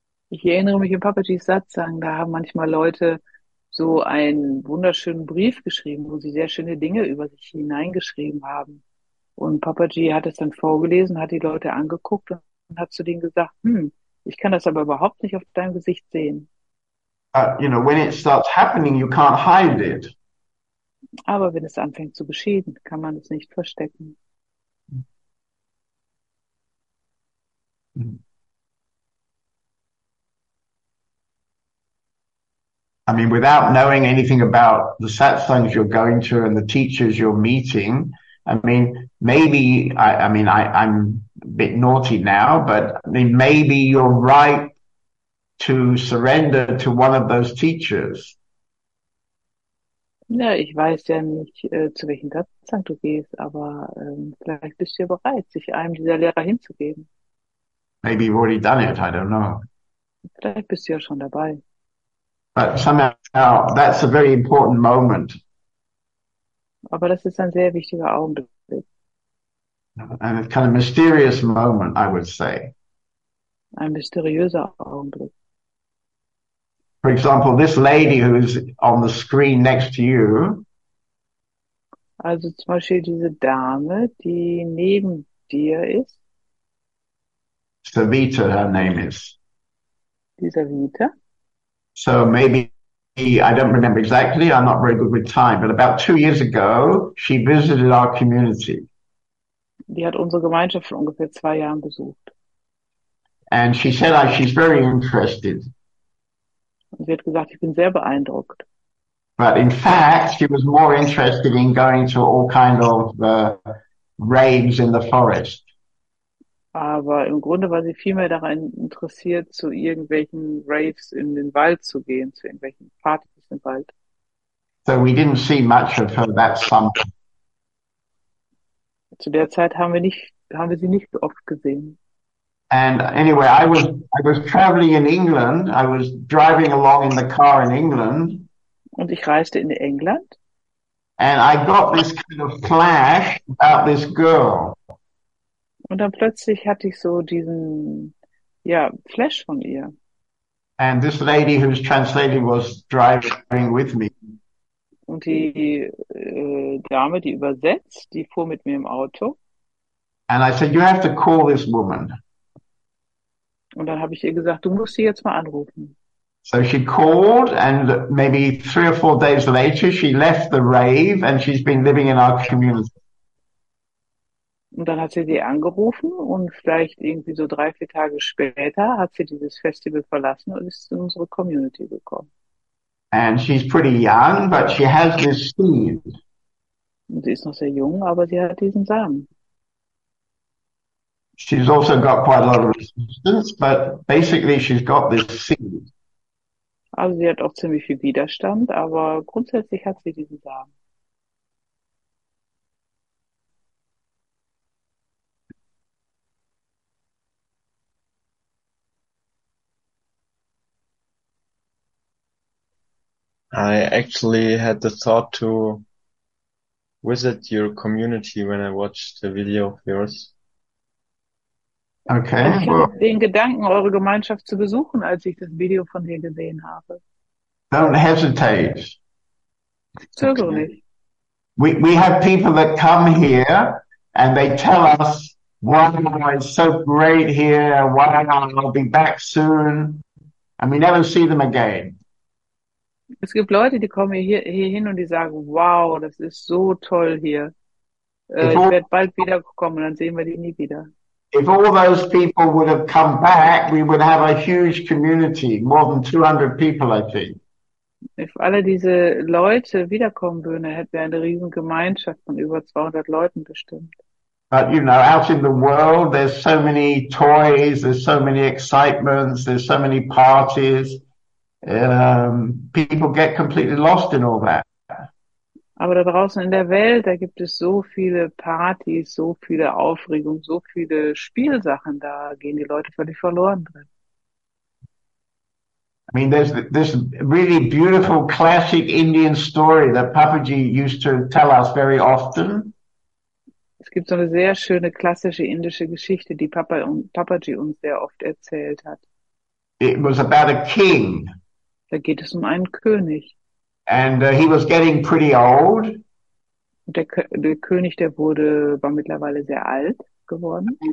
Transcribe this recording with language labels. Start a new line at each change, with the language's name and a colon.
German: Ich erinnere mich, in Papajis Satsang, da haben manchmal Leute so einen wunderschönen Brief geschrieben, wo sie sehr schöne Dinge über sich hineingeschrieben haben. Und Papaji hat es dann vorgelesen, hat die Leute angeguckt und hat zu denen gesagt, ich kann das aber überhaupt nicht auf deinem Gesicht sehen.
English: You know, when it starts happening, you can't hide it.
German: Aber wenn es anfängt zu geschehen, kann man es nicht verstecken.
English: I mean, without knowing anything about the satsangs you're going to and the teachers you're meeting, I mean, maybe, I'm a bit naughty now, but I mean, maybe you're right to surrender to one of those teachers.
German: Ja, ich weiß ja nicht, zu welchem Satsang du gehst, aber vielleicht bist du ja bereit, sich einem dieser Lehrer hinzugeben.
English: Maybe you've already done it, I don't know.
German: Vielleicht bist du ja schon dabei.
English: But somehow, that's a very important moment.
German: Aber das ist ein sehr wichtiger Augenblick.
English: And a kind of mysterious moment, I would say.
German: Ein mysteriöser Augenblick.
English: For example, this lady who's on the screen next to you.
German: Also zum Beispiel diese Dame, die neben dir ist.
English: Savita, her name is.
German: Die Savita.
English: So maybe, I don't remember exactly, I'm not very good with time, but about 2 years ago, she visited our community.
German: Die hat unsere Gemeinschaft schon ungefähr 2 Jahren besucht.
English: And she said, she's very interested.
German: Und sie hat gesagt, ich bin sehr beeindruckt.
English: But in fact, she was more interested in going to all kind of raves in the forest.
German: Aber im Grunde war sie vielmehr daran interessiert, zu irgendwelchen Raves in den Wald zu gehen, zu irgendwelchen Partys im Wald.
English: So we didn't see much of her that summer.
German: Zu der Zeit haben wir sie nicht oft gesehen.
English: And anyway, I was traveling in England. I was driving along in the car in England.
German: Und ich reiste in England.
English: And I got this kind of flash about this girl.
German: Und dann plötzlich hatte ich so diesen, ja, Flash von ihr.
English: And this lady who's translating was driving with me.
German: Und die Dame, die übersetzt, die fuhr mit mir im Auto.
English: And I said, you have to call this woman.
German: Und dann habe ich ihr gesagt, du musst sie jetzt mal anrufen.
English: So she called and maybe 3 or 4 days later she left the rave and she's been living in our community.
German: Und dann hat sie sie angerufen und vielleicht irgendwie so 3, 4 Tage später hat sie dieses Festival verlassen und ist in unsere Community gekommen.
English: And she's pretty young, but she has this seed.
German: Und sie ist noch sehr jung, aber sie hat diesen Samen.
English: She's also got quite a lot of resistance, but basically she's got this seed.
German: Also sie hat auch ziemlich viel Widerstand, aber grundsätzlich hat sie diesen Samen.
English: I actually had the thought to visit your community when I watched the video of yours. Okay.
German: Ich hatte den Gedanken, eure Gemeinschaft zu besuchen, als ich das Video von dir gesehen habe.
English: Don't hesitate.
German: Zögere nicht.
English: We have people that come here and they tell us why it's so great here, why I'll be back soon, and we never see them again.
German: Es gibt Leute, die kommen hier hin und die sagen, wow, das ist so toll hier. Ich werde bald wiederkommen, dann sehen wir die nie wieder.
English: If all those people would have come back, we would have a huge community, more than 200 people, I think.
German: If alle diese Leute wiederkommen würden, hätten wir eine riesen Gemeinschaft von über 200 Leuten bestimmt.
English: But you know, out in the world, there's so many toys, there's so many excitements, there's so many parties. People get completely lost in all that.
German: Aber da draußen in der Welt, da gibt es so viele Partys, so viele Aufregung, so viele Spielsachen, da gehen die Leute völlig verloren drin.
English: I mean, there's this really beautiful classic Indian story that Papaji used to tell us very often.
German: Es gibt so eine sehr schöne klassische indische Geschichte, die Papaji uns sehr oft erzählt hat.
English: It was about a king.
German: Da geht es um einen König.
English: And he was getting pretty old.
German: Der König, der wurde, war mittlerweile sehr alt geworden.